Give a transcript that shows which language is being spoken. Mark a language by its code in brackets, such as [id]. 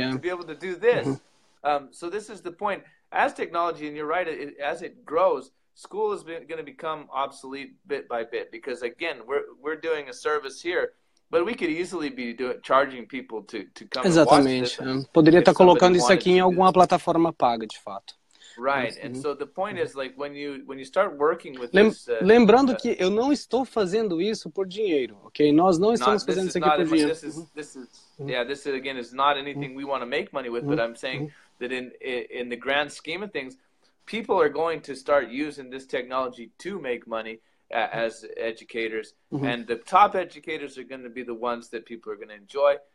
[en] to be able to do this. Mm-hmm. So this is the point. As technology, and you're right, as it grows, school is going to become obsolete bit by bit, because again, we're doing a service here, but we could easily be charging people to come. [pt] Exatamente. [en] And watch this. [pt] Poderia estar colocando isso aqui em alguma plataforma paga, de fato. [en] Right. And so the point is, like, when you start working with [pt] lembrando que eu não estou fazendo isso por dinheiro, ok? Nós não estamos fazendo isso aqui por dinheiro. [en] This is not anything we want to make money with, but I'm saying that in the grand scheme of things, people are going to start using this technology to make money as educators, and the top educators are going to be the ones that people are going to enjoy.